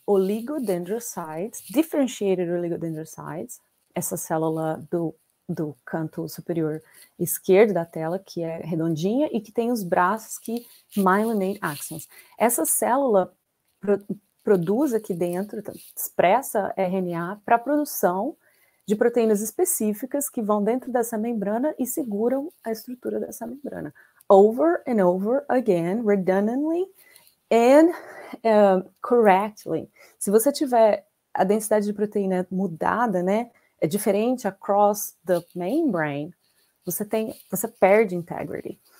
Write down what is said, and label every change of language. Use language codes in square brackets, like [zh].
[pt] Oligodendrocytes, differentiated oligodendrocytes, essa célula do canto superior esquerdo da tela, que é redondinha e que tem os braços que [en] myelinate axons. [pt] Essa célula produz aqui dentro, expressa RNA para produção de proteínas específicas que vão dentro dessa membrana e seguram a estrutura dessa membrana. [en] Over and over again, redundantly, and correctly. [pt] Se você tiver a densidade de proteína mudada, né, é diferente [en] across the membrane, [pt] você perde integrity.